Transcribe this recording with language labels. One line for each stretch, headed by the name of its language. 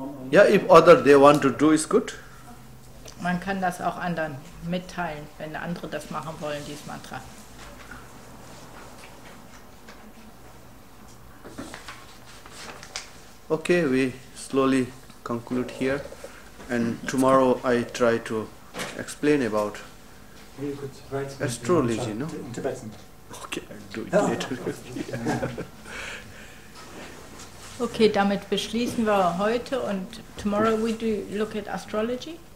English: Ja, if other they want to do, is good.
German: Man kann das auch anderen mitteilen, wenn andere das machen wollen, dieses Mantra.
English: Okay, we slowly conclude here, and tomorrow I try to explain about astrology, no? Okay, I'll do it later. Okay,
German: damit beschließen wir heute, und
English: tomorrow we do look at astrology.